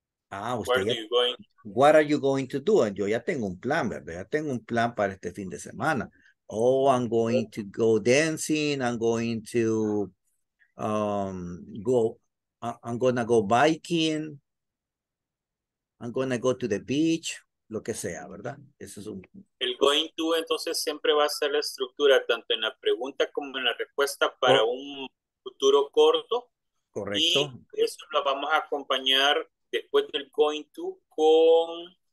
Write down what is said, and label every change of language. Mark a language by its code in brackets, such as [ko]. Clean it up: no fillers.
[en] Ah, [es] usted [en] what are you going to do? [es] Yo ya tengo un plan, ¿verdad? Ya tengo un plan para este fin de semana. [en] Oh, I'm going to go dancing. I'm going to I'm going to go biking. I'm going to go to the beach. [es] Lo que sea, ¿verdad? Eso es un... El going to, entonces, siempre va a ser la estructura, tanto en la pregunta como en la respuesta para un futuro corto. Correcto. Y eso lo vamos a acompañar después del going to con...